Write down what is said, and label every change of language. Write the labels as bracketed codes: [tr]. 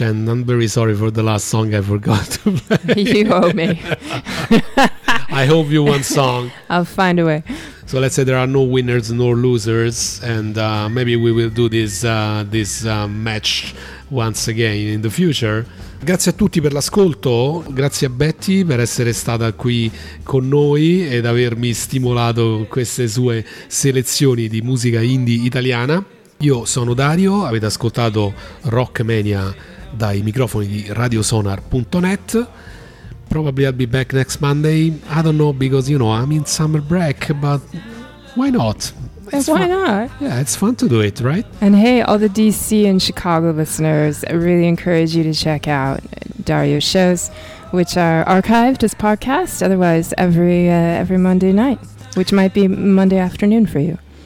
[en] And I'm very sorry for the last song I forgot to play. You owe me. I hope you want song. I'll find a way. So let's say there are no winners nor losers, and maybe we will do this match once again in the future. [it] Grazie a tutti per l'ascolto, grazie a Betty per essere stata qui con noi ed avermi stimolato queste sue selezioni di musica indie italiana. Io sono Dario, avete ascoltato Rockmania dai microfoni di radiosonar.net. [en] Probably I'll be back next Monday. I don't know, because you know I'm in summer break, but why not? Yeah, it's fun to do it, right? And hey, all the DC and Chicago listeners, I really encourage you to check out Dario's shows, which are archived as podcast, otherwise every Monday night, which might be Monday afternoon for you.